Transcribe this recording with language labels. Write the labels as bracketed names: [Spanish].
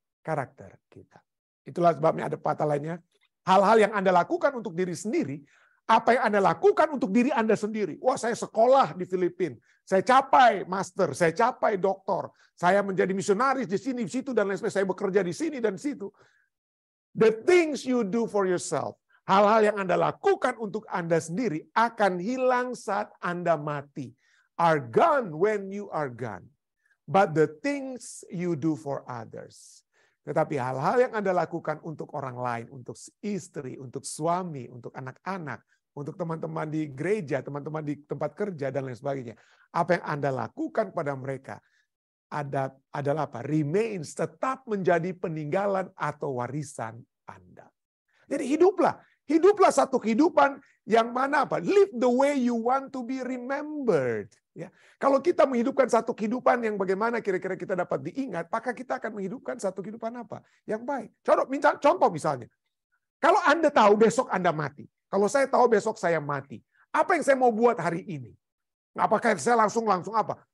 [Indonesian] Karakter kita. Itulah sebabnya ada pepatah lainnya. Hal-hal yang Anda lakukan untuk diri sendiri, apa yang Anda lakukan untuk diri Anda sendiri. Wah, saya sekolah di Filipina. Saya capai master, saya capai doktor. Saya menjadi misionaris di sini, di situ, dan lain sebagainya. Saya bekerja di sini dan di situ. [English] The things you do for yourself. [Indonesian] Hal-hal yang Anda lakukan untuk Anda sendiri akan hilang saat Anda mati. [English] Are gone when you are gone. But the things you do for others. [Indonesian] Tetapi hal-hal yang Anda lakukan untuk orang lain, untuk istri, untuk suami, untuk anak-anak, untuk teman-teman di gereja, teman-teman di tempat kerja, dan lain sebagainya. Apa yang Anda lakukan pada mereka adalah apa? Remains, tetap menjadi peninggalan atau warisan Anda. Jadi hiduplah. Hiduplah satu kehidupan yang mana apa? [English] Live the way you want to be remembered. [Indonesian] Ya. Kalau kita menghidupkan satu kehidupan yang bagaimana kira-kira kita dapat diingat, maka kita akan menghidupkan satu kehidupan apa? Yang baik. Contoh misalnya. Kalau Anda tahu besok Anda mati. Kalau saya tahu besok saya mati. Apa yang saya mau buat hari ini? Apakah saya langsung apa?